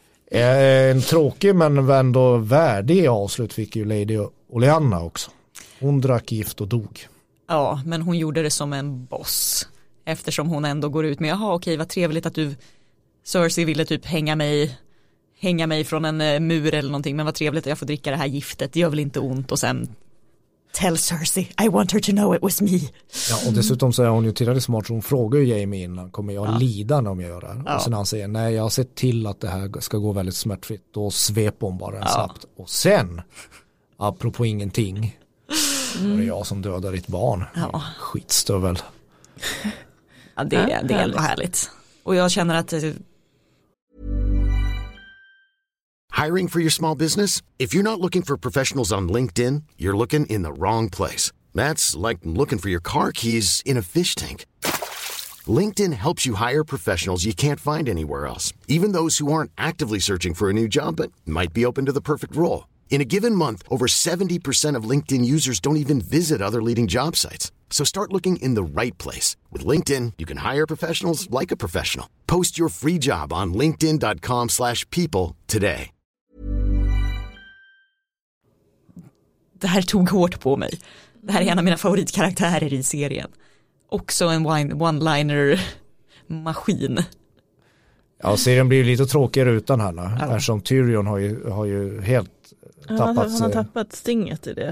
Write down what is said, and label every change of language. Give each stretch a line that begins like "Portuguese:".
Swedish: En tråkig men ändå värdig avslut fick ju Lady Olenna också. Hon drack gift och dog. Ja, men hon gjorde det som en boss. Eftersom hon ändå går ut med, jaha okej, vad trevligt att du, Cersei ville typ hänga mig från en mur eller någonting. Men vad trevligt att jag får dricka det här giftet, det gör väl inte ont. Och sen,
English: tell Cersei, I want her to know it was me.
Swedish: Ja, och dessutom så är hon ju tillräckligt smart, så hon frågar ju Jaime innan, kommer jag lida när jag gör det här? Och sen han säger, nej, jag har sett till att det här ska gå väldigt smärtfritt. Då sveper hon bara snabbt. Och sen, apropå ingenting, är det jag som dödar ditt barn. Ja. Skitstövel. Ja, det är ändå härligt. Och jag känner att...
English: Hiring for your small business? If you're not looking for professionals on LinkedIn, you're looking in the wrong place. That's like looking for your car keys in a fish tank. LinkedIn helps you hire professionals you can't find anywhere else, even those who aren't actively searching for a new job but might be open to the perfect role. In a given month, over 70% of LinkedIn users don't even visit other leading job sites. So start looking in the right place. With LinkedIn, you can hire professionals like a professional. Post your free job on linkedin.com/people today.
Swedish: Det här tog hårt på mig. Det här är en av mina favoritkaraktärer i serien. Också en one-liner-maskin. Ja, serien blir ju lite tråkigare utan henne. Ja. Eftersom Tyrion har ju helt tappat... Han har tappat stinget i det.